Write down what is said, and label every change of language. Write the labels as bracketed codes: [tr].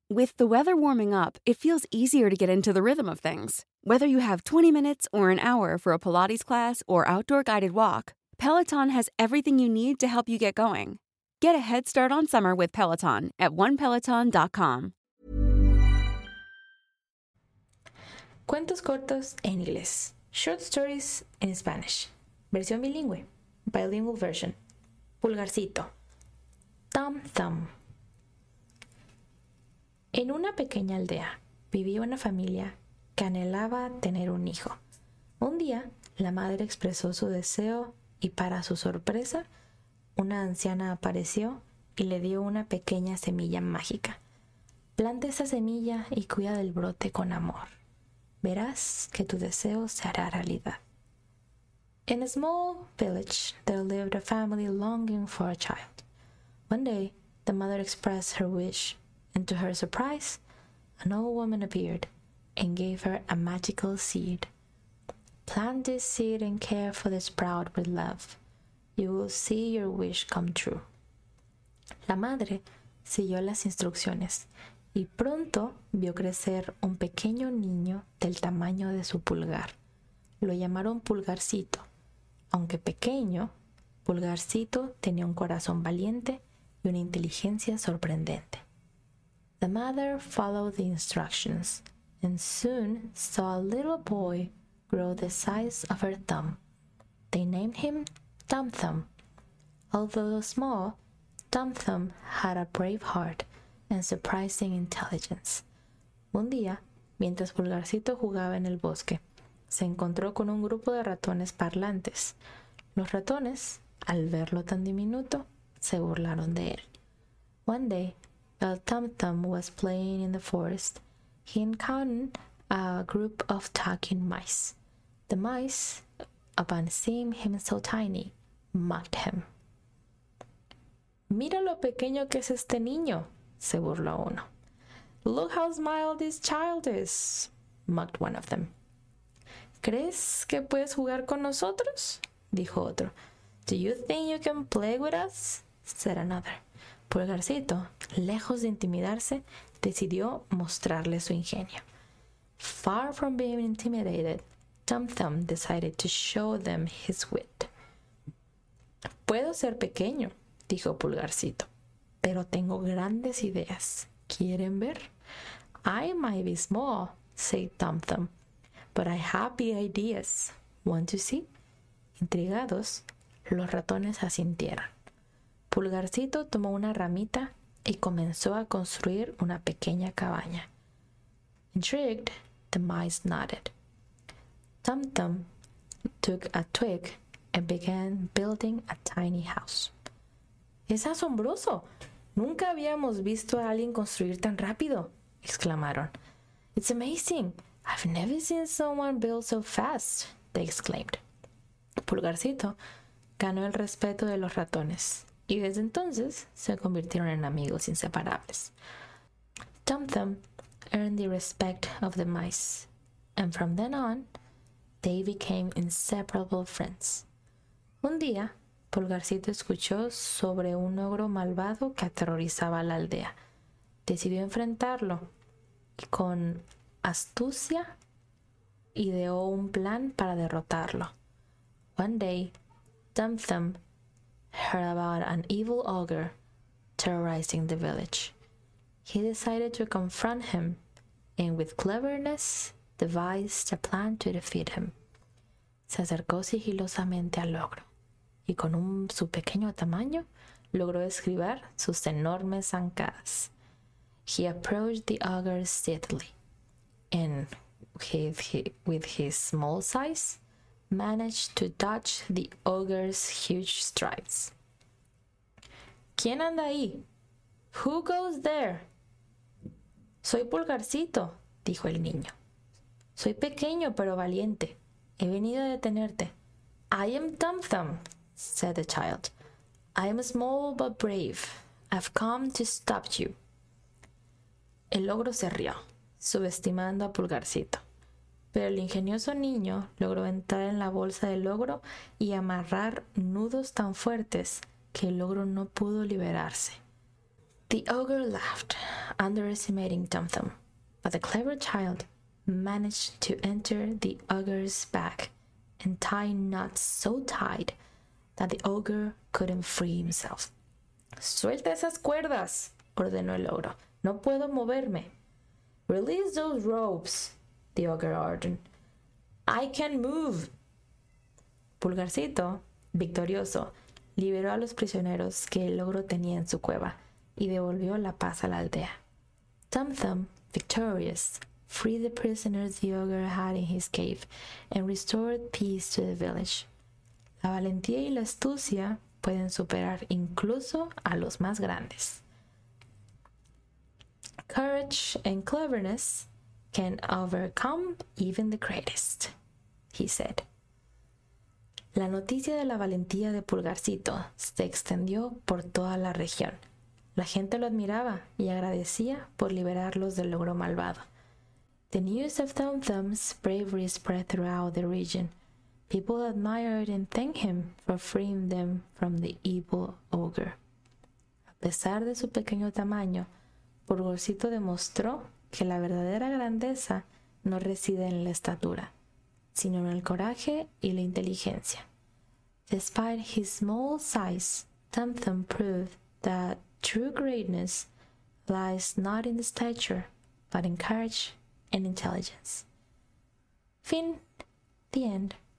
[en] With the weather warming up, it feels easier to get into the rhythm of things. Whether you have 20 minutes or an hour for a Pilates class or outdoor guided walk, Peloton has everything you need to help you get going. Get a head start on summer with Peloton at onepeloton.com. [es] Cuentos cortos en inglés. [en] Short stories in Spanish. [es] Versión bilingüe. [en] Bilingual version. Pulgarcito. Thumb Thumb. [es] En una pequeña aldea vivía una familia que anhelaba tener un hijo. Un día, la madre expresó su deseo y, para su sorpresa, una anciana apareció y le dio una pequeña semilla mágica. Planta esa semilla y cuida del brote con amor. Verás que tu deseo se hará realidad. [en] In a small village, there lived a family longing for a child. One day, the mother expressed her wish, and to her surprise, an old woman appeared and gave her a magical seed. Plant this seed and care for the sprout with love. You will see your wish come true. [es] La madre siguió las instrucciones y pronto vio crecer un pequeño niño del tamaño de su pulgar. Lo llamaron Pulgarcito. Aunque pequeño, Pulgarcito tenía un corazón valiente y una inteligencia sorprendente. [en] The mother followed the instructions and soon saw a little boy grow the size of her thumb. They named him Thumb Thumb. Although small, Thumb Thumb had a brave heart and surprising intelligence. [es] Un día, mientras Pulgarcito jugaba en el bosque, se encontró con un grupo de ratones parlantes. Los ratones, al verlo tan diminuto, se burlaron de él. [en] One day, while Thumb Thumb was playing in the forest, he encountered a group of talking mice. The mice, upon seeing him so tiny, mocked him. [es] Mira lo pequeño que es este niño, se burló uno. [en] Look how small this child is, mocked one of them. [es] ¿Crees que puedes jugar con nosotros? Dijo otro. [en] Do you think you can play with us? Said another. [es] Pulgarcito, lejos de intimidarse, decidió mostrarle su ingenio. [en] Far from being intimidated, Thumb Thumb decided to show them his wit. [es] Puedo ser pequeño, dijo Pulgarcito, pero tengo grandes ideas. ¿Quieren ver? [en] I might be small, said Thumb Thumb, but I have big ideas. Want to see? [es] Intrigados, los ratones asintieron. Pulgarcito tomó una ramita y comenzó a construir una pequeña cabaña. [en] Intrigued, the mice nodded. Thumb Thumb took a twig and began building a tiny house. [es] ¡Es asombroso! ¡Nunca habíamos visto a alguien construir tan rápido! Exclamaron. [en] It's amazing! I've never seen someone build so fast! They exclaimed. [es] Pulgarcito ganó el respeto de los ratones. Y desde entonces se convirtieron en amigos inseparables. [en] Thumb Thumb earned the respect of the mice, and from then on, they became inseparable friends. [es] Un día, Pulgarcito escuchó sobre un ogro malvado que aterrorizaba a la aldea. Decidió enfrentarlo y con astucia ideó un plan para derrotarlo. [en] One day, Thumb Thumb heard about an evil ogre terrorizing the village. He decided to confront him and with cleverness devised a plan to defeat him. [es] Se acercó sigilosamente al ogro y con su pequeño tamaño logró esgrimir sus enormes zancadas. [en] He approached the ogre steadily and with his small size managed to dodge the ogre's huge strides. [es] ¿Quién anda ahí? [en] Who goes there? [es] Soy Pulgarcito, dijo el niño. Soy pequeño pero valiente. He venido a detenerte. [en] I am Thumb Thumb, said the child. I am small but brave. I've come to stop you. [es] El ogro se rió, subestimando a Pulgarcito. Pero el ingenioso niño logró entrar en la bolsa del ogro y amarrar nudos tan fuertes que el ogro no pudo liberarse. [en] The ogre laughed, underestimating Tum Tum, but the clever child managed to enter the ogre's back and tie knots so tight that the ogre couldn't free himself. [es] ¡Suelta esas cuerdas!, ordenó el ogro. ¡No puedo moverme! [en] Release those ropes, the ogre ordered. I can move. [es] Pulgarcito, victorioso, liberó a los prisioneros que el ogro tenía en su cueva y devolvió la paz a la aldea. [en] Tum Tum, victorious, freed the prisoners the ogre had in his cave and restored peace to the village. [es] La valentía y la astucia pueden superar incluso a los más grandes. [en] Courage and cleverness can overcome even the greatest, he said. [es] La noticia de la valentía de Pulgarcito se extendió por toda la región. La gente lo admiraba y agradecía por liberarlos del ogro malvado. [en] The news of Tum Tum's bravery spread throughout the region. People admired and thanked him for freeing them from the evil ogre. [es] A pesar de su pequeño tamaño, Pulgarcito demostró que la verdadera grandeza no reside en la estatura, sino en el coraje y la inteligencia. [en] Despite his small size, Tum Tum proved that true greatness lies not in the stature, but in courage and intelligence. [es] Fin. [en] The end.